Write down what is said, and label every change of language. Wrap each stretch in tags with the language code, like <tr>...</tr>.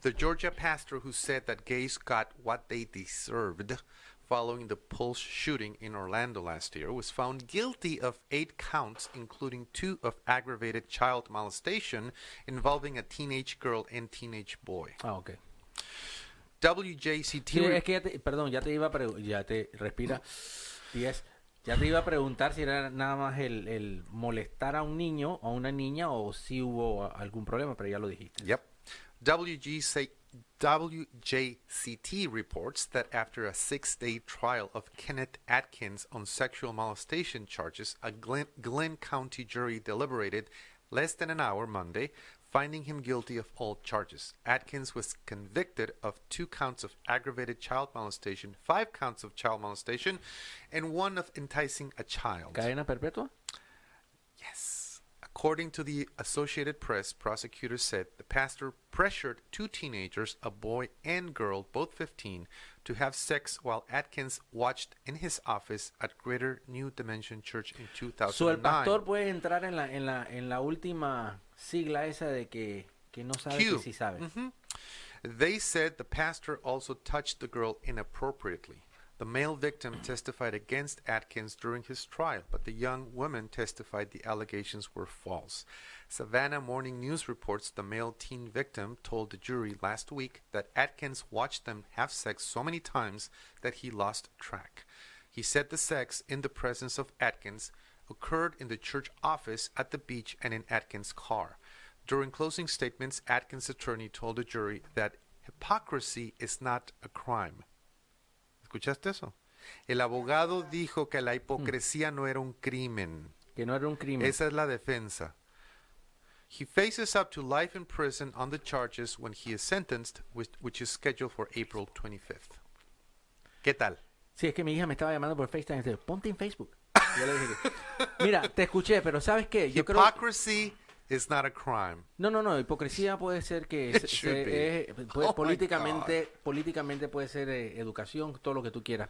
<en>The Georgia pastor who said that gays got what they deserved following the Pulse shooting in Orlando last year, was found guilty of 8 counts, including 2 of aggravated child molestation involving a teenage girl and teenage boy. Ah, okay. WJCT...</en> <es>Sí, es que ya te iba a preguntar si era nada más el molestar a un niño o a una niña o si hubo algún problema, pero ya lo dijiste.</es> <en>Yep. WJCT reports that after a 6-day trial of Kenneth Atkins on sexual molestation charges, a Glenn County jury deliberated less than an hour Monday, finding him guilty of all charges. Atkins was convicted of 2 counts of aggravated child molestation, 5 counts of child molestation, and 1 of enticing a child.</en> <es>¿Cadena perpetua?</es> <en>Yes. According to the Associated Press, prosecutors said the pastor pressured 2 teenagers, a boy and girl, both 15, to have sex while Atkins watched in his office at Greater New Dimension Church in 2009.</en> <es>So el pastor puede entrar en la última sigla esa de que no sabe Q. que sí sabe.</es> <en>They said the pastor also touched the girl inappropriately. The male victim testified against Atkins during his trial, but the young woman testified the allegations were false. Savannah Morning News reports the male teen victim told the jury last week that Atkins watched them have sex so many times that he lost track. He said the sex in the presence of Atkins occurred in the church office, at the beach, and in Atkins' car. During closing statements, Atkins' attorney told the jury that hypocrisy is not a crime.</en> <es>¿Escuchaste eso? El abogado dijo que la hipocresía no era un crimen. Que no era un crimen. Esa es la defensa.</es> <en>He faces up to life in prison on the charges when he is sentenced, which is scheduled for April 25th.</en> <es>¿Qué tal? Sí, es que mi hija me estaba llamando por FaceTime y dice, ponte en Facebook. Yo le dije que, mira, te escuché, pero ¿sabes qué? Yo</es> <en>hypocrisy</en> <es>creo...</es> <en>is not a crime.</en> <es>No, no, no. Hipocresía puede ser que... políticamente puede ser educación, todo lo que tú quieras.</es>